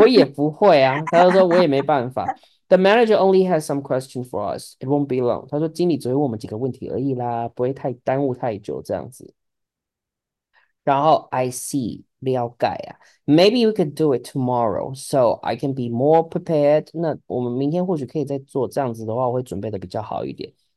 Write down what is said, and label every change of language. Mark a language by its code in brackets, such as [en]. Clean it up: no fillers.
[zh] 我也不会啊。”他就说：“我也没办法。 [en] The manager only has some question for us. It won't be long. [zh] 他说经理只会问我们几个问题而已啦，不会太耽误太久这样子。然后 [en] I see， [zh] 了解啊。 [en] Maybe we could do it tomorrow, so I can be more prepared. [zh] 那我们明天或许可以再做，这样子的话我会准备的比较好一点。